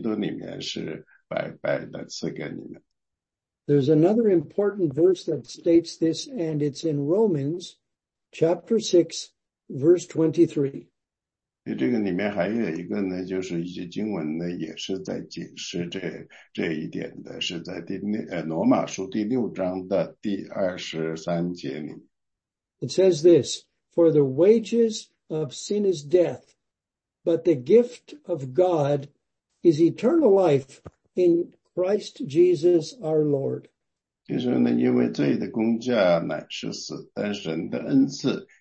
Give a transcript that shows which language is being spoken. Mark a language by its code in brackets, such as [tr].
[zh] 这个里面呢,这个就是说呢,永生呢,你不可能去买,也不可能靠你自己去赚得,这个只有在主耶稣基督里面是白白的赐给你们。 [en] There's another important verse that states this, and it's in Romans chapter 6, verse 23. [zh] 这个里面还有一个呢，就是一些经文呢，也是在解释这一点的，是在罗马书第六章的第23节里。 [en] It says this, for the wages of sin is death, but the gift of God is eternal life in Christ Jesus our Lord. [zh] 就是呢，因为罪的工价乃是死，但神的恩赐。